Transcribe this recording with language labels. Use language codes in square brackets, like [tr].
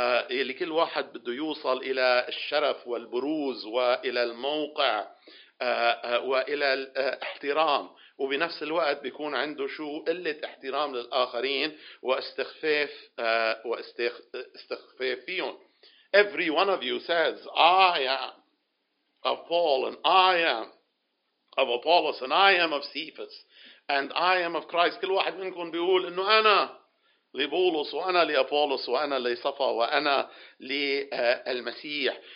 [ar] اللي كل واحد بده يوصل إلى الشرف والبروز وإلى الموقع وإلى الاحترام، وبنفس الوقت بيكون عنده شو قلة احترام للآخرين واستخفاف واستخفاف فيهم. [en] Every one of you says I am of Paul and I am of Apollos and I am of Cephas and I am of Christ. [ar] كل واحد منكم بيقول إنه أنا لبولس وأنا لأبولس وأنا لصفا وأنا للمسيح.